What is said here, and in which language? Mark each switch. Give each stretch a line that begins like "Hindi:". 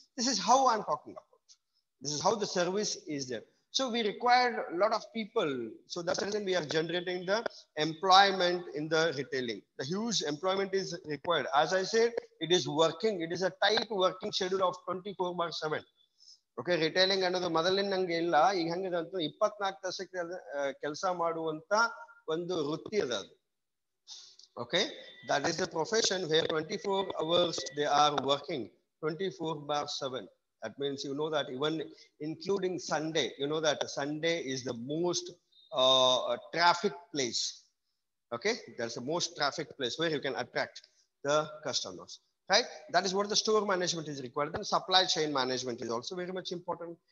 English: This is how I'm talking about. This is how the service is there. So we require a lot of people. So that's the reason we are generating the employment in the retailing. The huge employment is required. As I said, it is working. It is a tight working schedule of 24/7.
Kannada: Okay ರಿಟೈಲಿಂಗ್ ಅನ್ನೋದು ಮೊದಲಿನ ಹಂಗೆ ಇಲ್ಲ, ಈಗ ಹಂಗಿದೆ ಅಂತ 24 ತಾಸಕ್ಕೆ ಕೆಲಸ ಮಾಡುವಂತ ಒಂದು ವೃತ್ತಿ ಅದ ಅದು.
English: Okay, that is a profession where 24 hours they are working 24/7. That means you know that even including Sunday, you know that Sunday is the most traffic place. Okay, there's the most traffic place where you can attract the customers, right? That is what the store management is required. Then supply chain management is also very much important.